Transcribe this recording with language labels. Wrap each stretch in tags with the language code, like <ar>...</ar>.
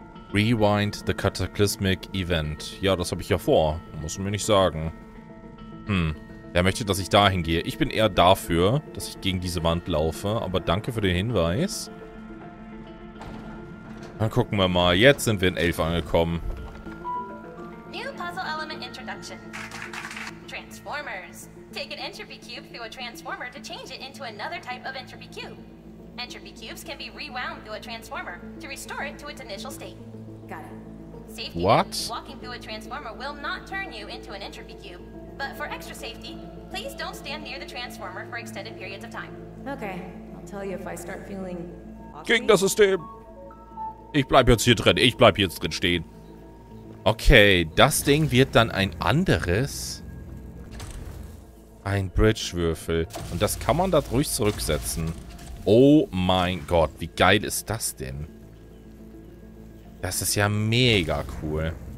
<en>Rewind the Cataclysmic Event.</en> <de>Ja, das habe ich ja vor. Muss man mir nicht sagen. Hm. Wer möchte, dass ich dahin gehe? Ich bin eher dafür, dass ich gegen diese Wand laufe. Aber danke für den Hinweis. Dann gucken wir mal. Jetzt sind wir in 11 angekommen.</de> <en>New Puzzle Element Introduction. Transformers. Take an entropy cube through a transformer to change it into another type of entropy cube. Entropy cubes can be rewound through a transformer to restore it to its initial state. Got it. Safety. What? Walking through a transformer will not turn you into an entropy cube. But for extra safety, please don't stand near the transformer for extended periods of time. Okay, I'll tell you if I start feeling...</en> <de>Gegen das System! Ich bleib jetzt hier drin, ich bleib jetzt drin stehen. Okay, das Ding wird dann ein anderes... Ein Bridge-Würfel. Und das kann man da ruhig zurücksetzen. Oh mein Gott, wie geil ist das denn? Das ist ja mega cool.</de>